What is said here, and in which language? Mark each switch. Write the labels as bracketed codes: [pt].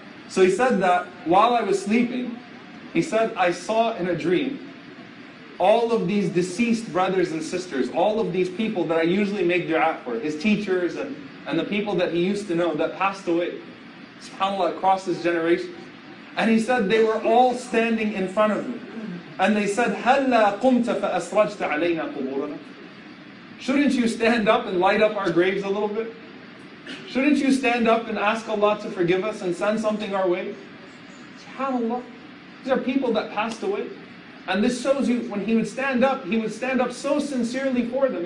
[en] So he said that while I was sleeping, he said, I saw in a dream all of these deceased brothers and sisters, all of these people that I usually make dua for, his teachers and the people that he used to know that passed away, subhanAllah, across his generations. And he said they were all standing in front of me. [ar] And they said, هلا قمت فأسرجت علينا قبورنا. [en] Shouldn't you stand up and light up our graves a little bit? Shouldn't you stand up and ask Allah to forgive us and send something our way? SubhanAllah. These are people that passed away. And this shows you, when he would stand up so sincerely for them.